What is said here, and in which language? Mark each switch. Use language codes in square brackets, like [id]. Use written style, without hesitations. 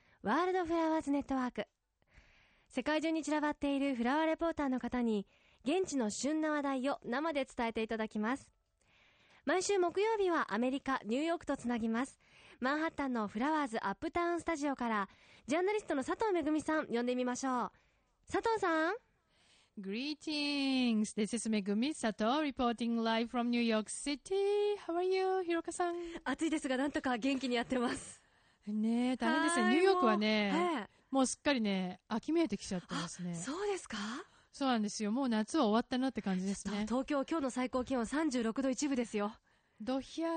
[ja] ワールドフラワーズネットワーク。世界中に散らばっているフラワーレポーターの方に現地の旬な話題を生で伝えていただきます。毎週木曜日はアメリカ・ニューヨークとつなぎます。マンハッタンのフラワーズアップタウンスタジオからジャーナリストの佐藤めぐみさん呼んでみましょう。佐藤さん、 [en] Greetings. This is Megumi Sato reporting live from New York City. How are you, Hiroka-san? [ja] 暑いですが、なんとか元気にやってます。ねえ、大変ですね。ニューヨークはね、もうすっかりね、秋めいてきちゃってますね。そうですか？そうなんですよ。もう夏は終わったなって感じですね。東京、今日の最高気温36度一部ですよ。ドヒャ